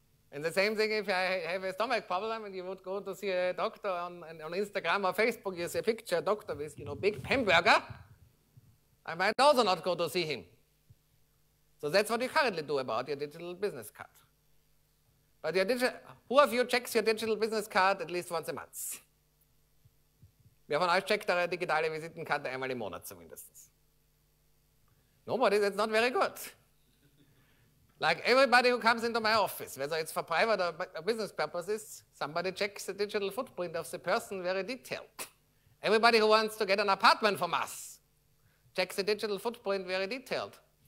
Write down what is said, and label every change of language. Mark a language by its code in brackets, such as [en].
[en] And the same thing if I have a stomach problem and you would go to see a doctor on Instagram or Facebook, you see a picture, a doctor with, you know, big hamburger, I might also not go to see him. So that's what you currently do about your digital business card. But your who of you checks your digital business card at least once a month? [de] Wer von euch checkt eure digitale Visitenkarte einmal im Monat zumindest? [en] Nobody, that's not very good. Like everybody who comes into my office, whether it's for private or business purposes, somebody checks the digital footprint of the person very detailed. Everybody who wants to get an apartment from us checks the digital footprint very detailed.